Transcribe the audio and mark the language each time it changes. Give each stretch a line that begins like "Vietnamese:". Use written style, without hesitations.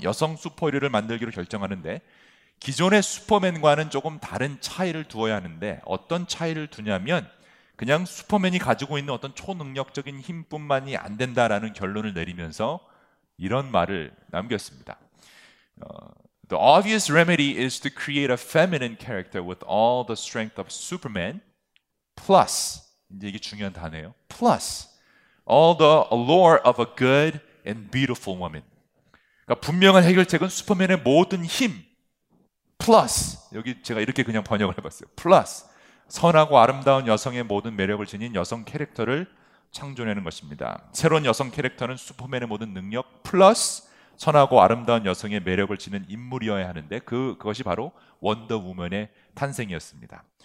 Korean: 여성 슈퍼히어로를 만들기로 결정하는데 기존의 슈퍼맨과는 조금 다른 차이를 두어야 하는데 어떤 차이를 두냐면 그냥 슈퍼맨이 가지고 있는 어떤 초능력적인 힘뿐만이 안 된다라는 결론을 내리면서 이런 말을 남겼습니다.
English: The obvious remedy is to create a feminine character with all the strength of Superman, plus,
Korean: 이제 이게 중요한 단어예요.
English: plus, all the allure of a good and beautiful woman.
Korean: 그러니까 분명한 해결책은 슈퍼맨의 모든 힘, plus, 여기 제가 이렇게 그냥 번역을 해봤어요. plus, 선하고 아름다운 여성의 모든 매력을 지닌 여성 캐릭터를 창조내는 것입니다. 새로운 여성 캐릭터는 슈퍼맨의 모든 능력, plus, 선하고 아름다운 여성의 매력을 지닌 인물이어야 하는데 그것이 바로 원더우먼의 탄생이었습니다.